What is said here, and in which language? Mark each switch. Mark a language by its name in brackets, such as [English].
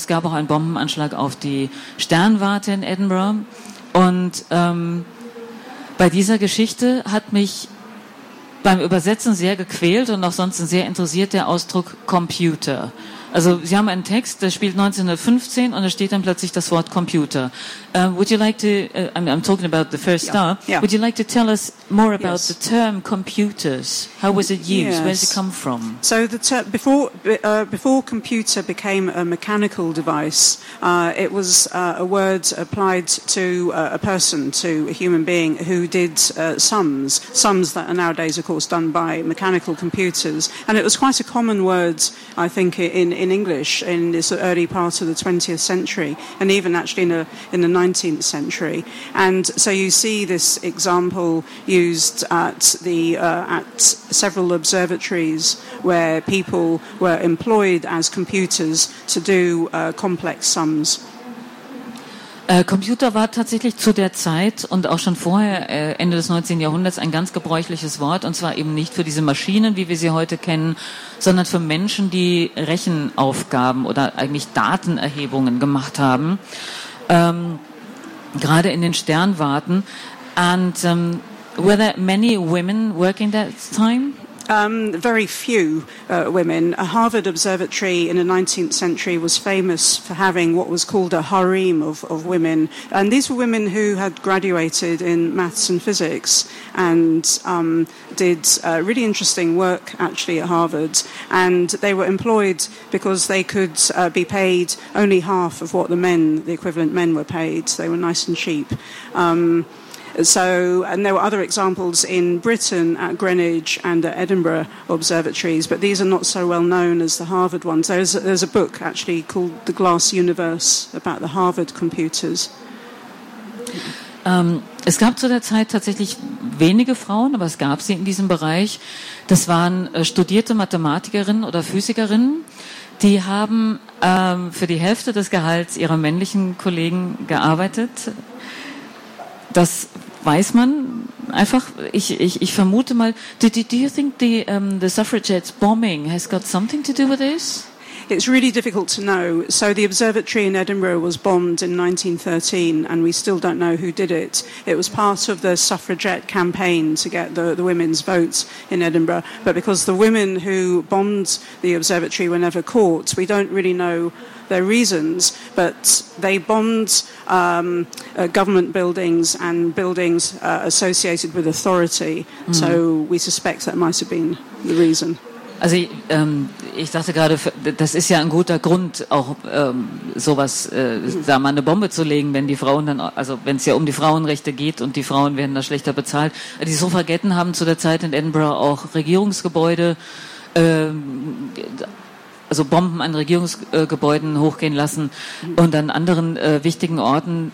[German] Es gab auch einen Bombenanschlag auf die Sternwarte in Edinburgh. Und bei dieser Geschichte hat mich beim Übersetzen sehr gequält und auch sonst sehr interessiert der Ausdruck Computer. Also Sie haben einen Text, der spielt 1915 und da steht dann plötzlich das Wort Computer. [English] Would you like to, I'm talking about the first star, would you like to tell us more about the term computers? How was it used? Yes. Where did it come from? So the before computer became a mechanical device, it was a word applied to a person, to a human being who did sums that are nowadays, of course, done by mechanical computers. And it was quite a common word, I think, in English in this early part of the 20th century, and even actually in the 19th century. And so you see this example used at several observatories where people were employed as computers to do complex sums. [German] Computer war tatsächlich zu der Zeit und auch schon vorher, Ende des 19. Jahrhunderts, ein ganz gebräuchliches Wort, und zwar eben nicht für diese Maschinen, wie wir sie heute kennen, sondern für Menschen, die Rechenaufgaben oder eigentlich Datenerhebungen gemacht haben, gerade in den Sternwarten. [English] And were there many women working that time? Very few women. A Harvard Observatory in the 19th century was famous for having what was called a harem of women. And these were women who had graduated in maths and physics and did really interesting work, actually, at Harvard. And they were employed because they could be paid only half of what the equivalent men were paid. They were nice and cheap. And there were other examples in Britain at Greenwich and at Edinburgh observatories, but these are not so well known as the Harvard ones. There's a book actually called The Glass Universe about the Harvard computers. [German] Es gab zu der Zeit tatsächlich wenige Frauen, aber es gab sie in diesem Bereich. Das waren studierte Mathematikerinnen oder Physikerinnen. Die haben für die Hälfte des Gehalts ihrer männlichen Kollegen gearbeitet. Das weiß man einfach. Ich vermute mal. [English] Do you think the suffragettes bombing has got something to do with this? It's really difficult to know. So the observatory in Edinburgh was bombed in 1913, and we still don't know who did it. It was part of the suffragette campaign to get the women's votes in Edinburgh. But because the women who bombed the observatory were never caught, we don't really know their reasons, but they bombed government buildings and buildings associated with authority. Mm. So we suspect that might have been the reason. [German] Also ich dachte gerade, das ist ja ein guter Grund, auch sowas, da mal eine Bombe zu legen, wenn die Frauen dann, also wenn es ja um die Frauenrechte geht und die Frauen werden da schlechter bezahlt. Die Suffragetten haben zu der Zeit in Edinburgh auch Regierungsgebäude, also Bomben an Regierungsgebäuden hochgehen lassen und an anderen wichtigen Orten.